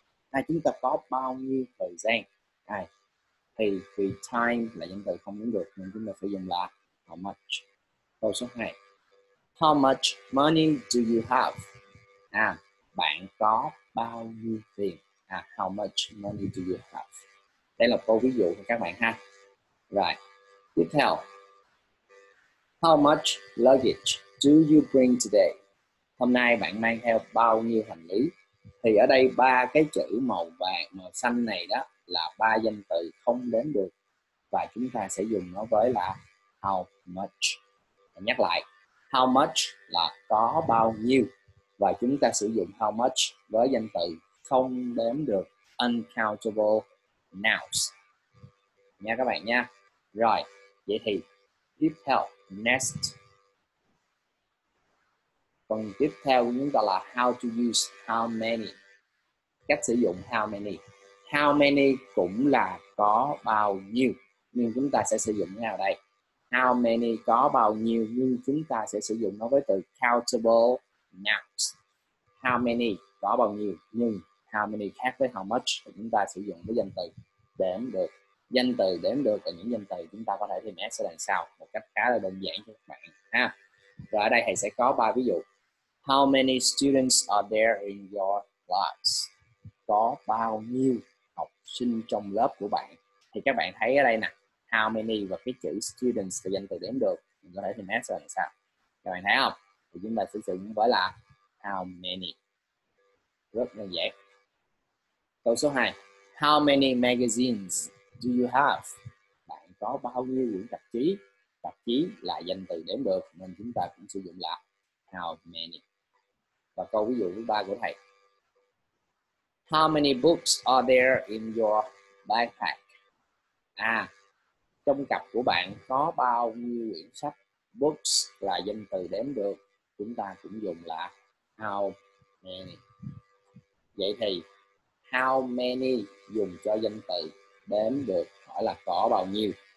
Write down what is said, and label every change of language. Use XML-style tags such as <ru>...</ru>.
<vi>À, chúng ta có bao nhiêu thời gian? À, thì vì time là danh từ không đếm được nên chúng ta phải dùng là how much. Câu số 2,</vi> <en>how much money do you have?</en> <vi>À, bạn có bao nhiêu tiền? À,</vi> <en>how much money do you have?</en> <vi>Đây là câu ví dụ của các bạn ha. Rồi, tiếp theo,</vi> <en>how much luggage do you bring today?</en> <vi>Hôm nay bạn mang theo bao nhiêu hành lý? Thì ở đây ba cái chữ màu vàng, màu xanh này đó là ba danh từ không đếm được, và chúng ta sẽ dùng nó với là how much. Nhắc lại, how much là có bao nhiêu, và chúng ta sử dụng how much với danh từ không đếm được, uncountable nouns nha các bạn nha. Rồi, vậy thì tiếp theo, next. ตรง tiếp theo chúng ta là</vi> <en>how to use how many,</en> <vi>cách sử dụng how many. How many cũng là có bao nhiêu, nhưng chúng ta sẽ sử dụng như nào đây? How many có bao nhiêu, nhưng chúng ta sẽ sử dụng nó với từ countable nouns. How many có bao nhiêu, nhưng how many khác với how much, chúng ta sử dụng với danh từ đếm được. Danh từ đếm được là những danh từ chúng ta có thể thêm s ở đằng sau một cách khá là đơn giản cho các bạn ha. Rồi ở đây thầy sẽ có ba ví dụ.</vi> <en>How many students are there in your class?</en> <vi>Có bao nhiêu học sinh trong lớp của bạn? Thì các bạn thấy ở đây nè, how many và cái chữ students là danh từ đếm được, mình có thể thêm s ở đằng sau. Các bạn thấy không? Thì chúng ta sử dụng với là how many. Rất đơn giản. Câu số 2.</vi> <en>How many magazines do you have?</en> <vi>Bạn có bao nhiêu quyển tạp chí? Tạp chí là danh từ đếm được nên chúng ta cũng sử dụng là how many. Và câu ví dụ thứ 3 của thầy.</vi> <en>How many books are there in your backpack?</en> <vi>À, trong cặp của bạn có bao nhiêu quyển sách? Books là danh từ đếm được, chúng ta cũng dùng là how many. Vậy thì how many dùng cho danh từ đếm được, hỏi là có bao nhiêu.</vi>